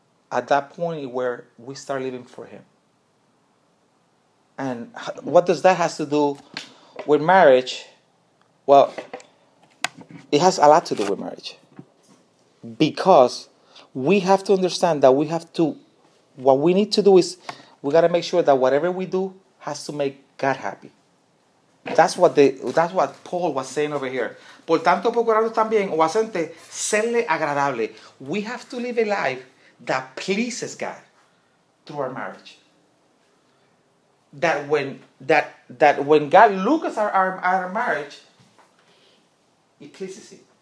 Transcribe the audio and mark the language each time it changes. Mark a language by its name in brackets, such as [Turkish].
[English] At that point where we start living for him. And what does that have to do with marriage? Well, it has a lot to do with marriage. Because we have to understand that what we need to do is, we got to make sure that whatever we do has to make God happy. That's what Paul was saying over here. [Spanish] Por tanto, procurando también, o asente, serle agradable. [English] We have to live a life that pleases God through our marriage. That when God looks at our marriage, it pleases him.